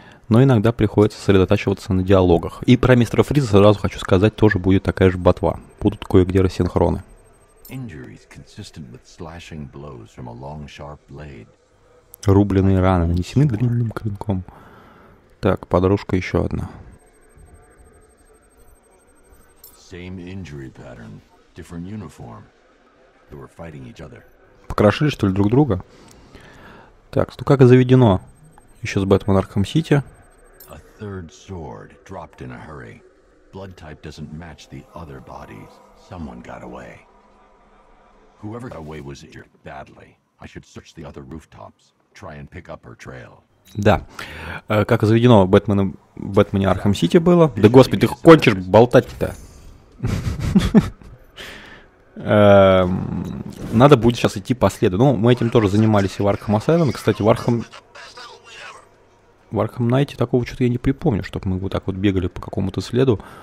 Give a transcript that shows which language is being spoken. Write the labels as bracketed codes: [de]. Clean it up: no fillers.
[ru] Но иногда приходится сосредотачиваться на диалогах. И про мистера Фриза сразу хочу сказать, тоже будет такая же ботва. Будут кое-где рассинхроны. Рубленые раны нанесены длинным клинком. Так, подружка еще одна. [en] Same injury pattern, different uniform. They were fighting each other. [ru] Покрошили, что ли, друг друга? Так, стука как заведено. Еще с [en] Batman Arkham City. A third sword dropped in a hurry. Blood type doesn't match the other bodies. Someone got away. Whoever got away was injured badly. I should search the other rooftops, try and pick up her trail. [ru] Да. Как заведено в Бэтмене Arkham City было. Да господи, ты кончишь болтать-то. Надо будет сейчас идти по следу. Ну, мы этим тоже занимались и в Arkham Asylum. Кстати, в Arkham Knight такого что-то я не припомню, чтобы мы вот так вот бегали по какому-то следу.